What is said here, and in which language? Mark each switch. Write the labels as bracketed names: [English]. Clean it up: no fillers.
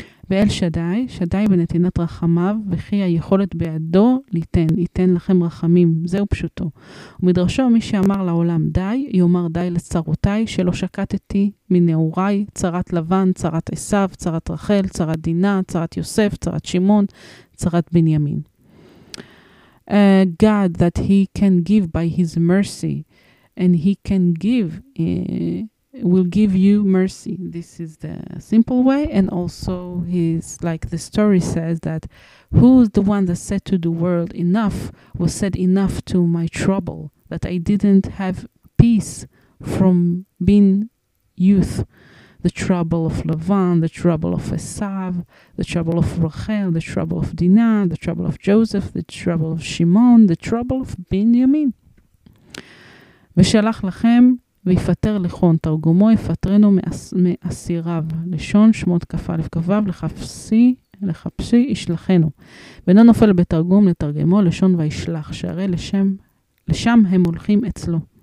[Hebrew] ואל שדאי, שדאי בנתינת רחמיו, וכי היכולת בידו ליתן, ייתן לכם רחמים, זהו פשוטו. ומדרשו, מי שאמר לעולם די, יאמר די לצרותיי, שלא שקטתי מנעוריי, צרת לבן, צרת עשיו, צרת רחל, צרת דינה, צרת יוסף, צרת שמעון, צרת בנימין. [English] God that he can give by his mercy, and he can give... will give you mercy. This is the simple way. And also he's like the story says that who's the one that said to the world enough was said enough to my trouble, that I didn't have peace from being youth, the trouble of Levan, the trouble of Esav, the trouble of Rachel, the trouble of Dinah, the trouble of Joseph, the trouble of Shimon, the trouble of Benjamin. [Hebrew] ושלח לכם ויפטר לכון, תרגומו יפטרנו מאסיריו, לשון שמות כפה לפקביו, לחפשי ישלחנו. ולא נופל בתרגום לתרגמו, לשון וישלח, שהרי לשם הם הולכים אצלו.